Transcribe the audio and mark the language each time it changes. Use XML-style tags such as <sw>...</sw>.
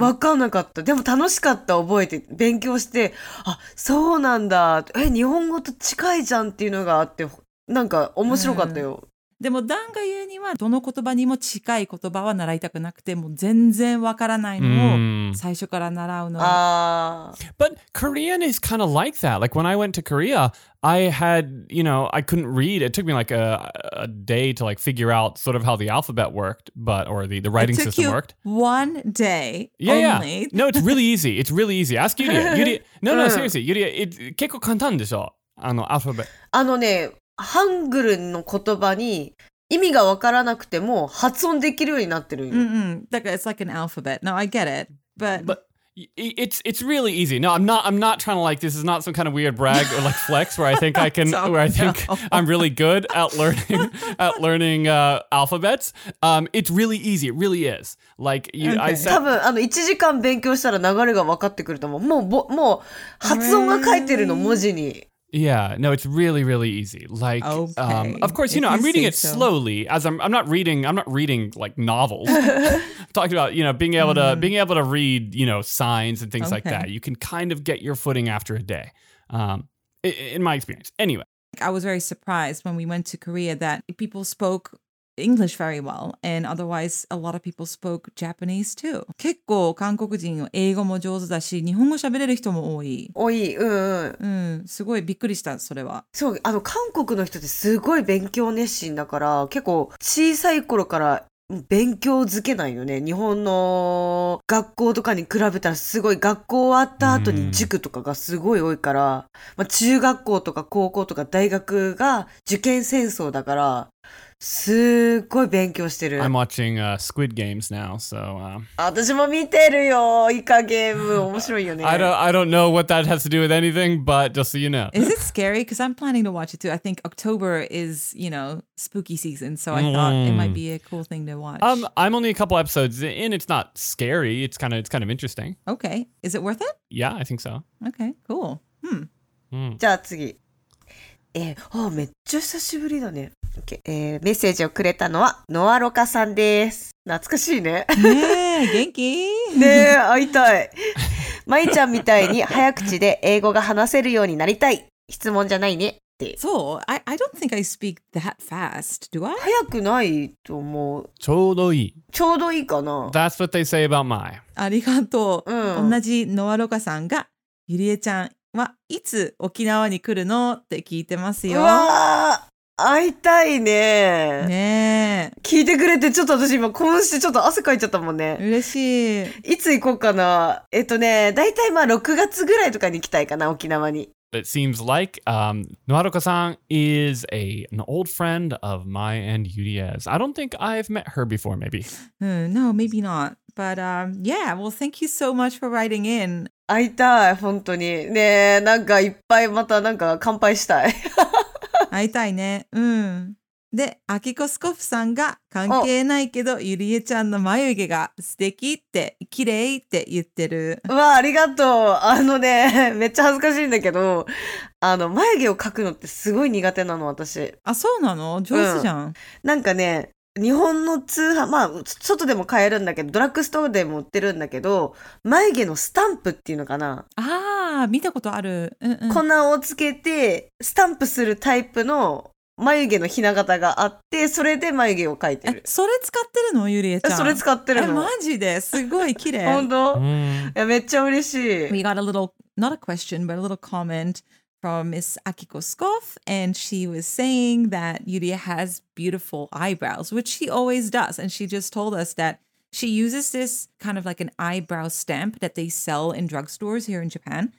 <ja>わかんなかった。でも楽しかった。覚えて、勉強して、あ、そうなんだ。え、日本語と近いじゃんっていうのがあって、なんか面白かったよ。でもダンが言うにはどの言葉にも近い言葉は習いたくなくてもう全然わからないのを最初から習うのは、</ja> <en>But Korean is kind of like that. Like when I went to Korea, I had, you know, I couldn't read. It took me like a day to like figure out sort of how the alphabet worked, but or the writing system worked. It took you one day. Yeah, only. Yeah. No, it's really easy. It's really easy. Ask Yuria. Yuria. No, seriously.</en> <ja>Yuria,</ja> <en>it</en> <ja>結構簡単でしょ。あの alphabet。あのね。ハングルの言葉に意味が分からなくても発音できるようになってるよ。</ja> <en>Mm-hmm.</en> <ja>だから</ja> <en>it's like an alphabet. No, I get it. But it's really easy. No, I'm not trying to like this is not some kind of weird brag or like flex where I think I can where I think I'm really good at learning alphabets. It's really easy. It really is. Like you, okay. I said.</en> <ja>多分あの1時間勉強したら流れが分かってくると思う。もう発音が書いてるの文字に。</ja> <en>Yeah, no, it's really, really easy. Like, okay. Of course, you know, I'm reading it slowly as I'm not reading like novels. I'm talking about, you know, being able to read, you know, signs and things like that. You can kind of get your footing after a day, in my experience. Anyway. I was very surprised when we went to Korea that people spoke English very well, and otherwise a lot of people spoke Japanese too.</en> <ja>結構韓国人は英語も上手だし、日本語喋れる人も多い。多い、うんうん。うん、すごいびっくりした、それは。そう、あの韓国の人ってすごい勉強熱心だから、結構小さい頃から勉強づけないよね。日本の学校とかに比べたらすごい、学校終わった後に塾とかがすごい多いから、まあ、中学校とか高校とか大学が受験戦争だから、すごい勉強してる。 I'm watching Squid Games now, so... 私も見てるよ、イカゲーム。面白いよね。</ja> <en>I don't know what that has to do with anything, but just so you know. Is it scary? Because I'm planning to watch it too. I think October is, you know, spooky season, so I thought it might be a cool thing to watch. I'm only a couple episodes in. It's not scary. It's kind of interesting. Okay. Is it worth it? Yeah, I think so. Okay, cool. Hmm.</en> <ja>じゃあ次。めっちゃ久しぶりだね。メッセージをくれたのはノアロカさんです。懐かしいね。ねえ、元気ねえ、会いたい。まいちゃんみたいに早口で英語が話せるようになりたい。質問じゃないねって。そう、</ja> <en>I don't think I speak that fast, do I?</en> <ja>早くないと思う。ちょうどいい。ちょうどいいかな。</ja> <en>That's what they say about my.</en> <ja>ありがとう、うん、同じノアロカさんがゆりえちゃんはいつ沖縄に来るのって聞いてますよ。うわー、会いたいね。ねえ。聞いてくれて、ちょっと私今、興奮してちょっと汗かいちゃったもんね。嬉しい。いつ行こうかな。だいたいまあ6月ぐらいとかに行きたいかな、沖縄に。</ja> <en>It seems like, ノアロカさん is an old friend of my and Yuria's. I don't think I've met her before, maybe. No, maybe not. But, yeah, well, thank you so much for writing in.</en> <ja>会いたい、本当に。ねえ、なんかいっぱいまたなんか乾杯したい。会いたいね。うん。で、アキコスコフさんが関係ないけど、ゆりえちゃんの眉毛が素敵って、綺麗って言ってる。わあ、ありがとう。あのね、めっちゃ恥ずかしいんだけど、あの、眉毛を描くのってすごい苦手なの、私。あ、そうなの？上手じゃん、うん。なんかね、日本の通販、まあ、外でも買えるんだけど、ドラッグストアでも売ってるんだけど、眉毛のスタンプっていうのかな。ああ、見たことある、うんうん。粉をつけて、スタンプするタイプの眉毛のひな形があって、それで眉毛を描いてる。それ使ってるの、ゆりえちゃん。それ使ってるの。マジですごい綺麗。本当？いや、めっちゃ嬉しい。</ja> <en>We got a little, not a question, but a little comment. From Miss Akiko Skoff, and she was saying that Yuria has beautiful eyebrows, which she always does. And she just told us that she uses this kind of like an eyebrow stamp that they sell in drugstores here in Japan.</en>